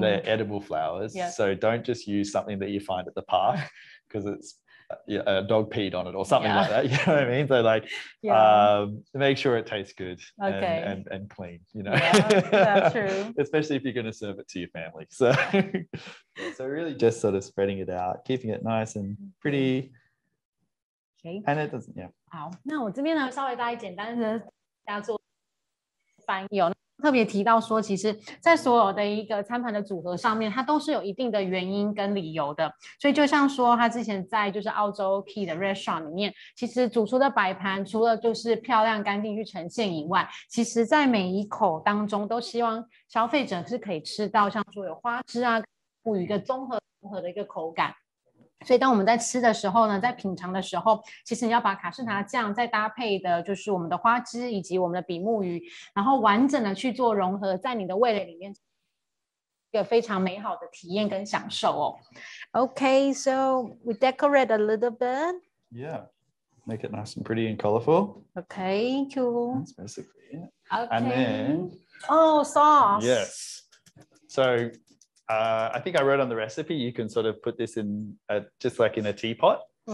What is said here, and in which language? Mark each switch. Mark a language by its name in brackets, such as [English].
[English] they're edible flowers. Yeah. So don't just use something that you find at the park because it's a dog peed on it or something yeah. like that. You know what I mean? So like, yeah. Make sure it tastes good okay. and clean, you know? Yeah, that's true. Especially if you're going to serve it to your family. So, so really just sort of spreading it out, keeping it nice and pretty. Okay. And it doesn't, yeah. [Chinese] 好，那我这边呢，稍微带一点单的加做翻译哦。特别提到说，其实在所有的一个餐盘的组合上面，它都是有一定的原因跟理由的。所以就像说，他之前在就是澳洲 Quay 的 restaurant 里面，其实主厨的摆盘除了就是漂亮干净去呈现以外，其实在每一口当中都希望消费者是可以吃到像说有花枝啊，赋予一个综合的一个口感。所以当我们在吃的时候呢，在品尝的时候，其实你要把卡士达酱再搭配的就是我们的花枝以及我们的比目鱼，然后完整的去做融合在你的味蕾里面，一个非常美好的体验跟享受哦。 [English] Okay, so we decorate a little bit. Yeah, make it nice and pretty and colorful. Okay, cool. That's basically it. Okay. And then... Oh, sauce. Yes. So... I think I wrote on the recipe, you can sort of put this in just like in a teapot. Mm-hmm.